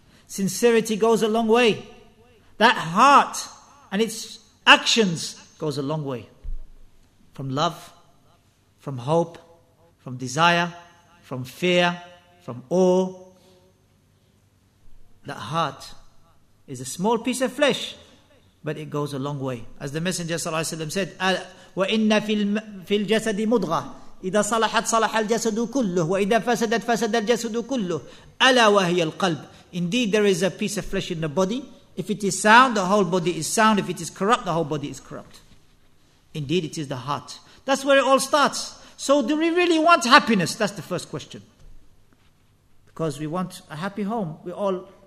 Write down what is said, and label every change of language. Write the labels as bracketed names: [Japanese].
[English] Sincerity goes a long way. That heart and its actions goes a long way. From love, from hope, from desire, from fear, from awe. That heart is a small piece of flesh, but it goes a long way. As the Messenger sallallahu alaihi wasallam said, [Arabic] وَإِنَّ فِي الْجَسَدِ مُضْغَةً إِذَا صَلَحَتْ صَلَحَ الْجَسَدُ كُلُّهُ وَإِذَا فَسَدَتْ فَسَدَ الْجَسَدُ كُلُّهُ أَلَا وَهِيَ الْقَلْبُ. [English] Indeed, there is a piece of flesh in the body. If it is sound, the whole body is sound. If it is corrupt, the whole body is corrupt. Indeed, it is the heart. That's where it all starts. So do we really want happiness? That's the first question. Because we want a happy home. We all